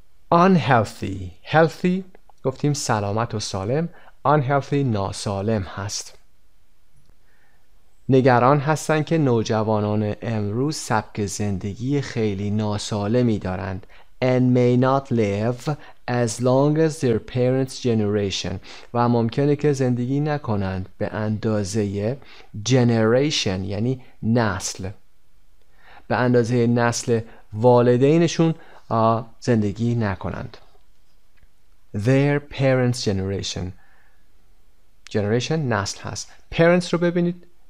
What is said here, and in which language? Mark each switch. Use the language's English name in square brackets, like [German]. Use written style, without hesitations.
[Persian] unhealthy، healthy گفتیم سلامت و سالم، unhealthy ناسالم هست. نگران هستند که نوجوانان امروز سبک زندگی خیلی ناسالمی دارند. [English] And may not live as long as their parents' generation. [Persian] و ممکنه که زندگی نکنند به اندازه generation یعنی نسل. به اندازه نسل والدینشون زندگی نکنند. [English] Their parents' generation. Generation [Persian] نسل هست. [English] Parents [Persian] رو ببینید.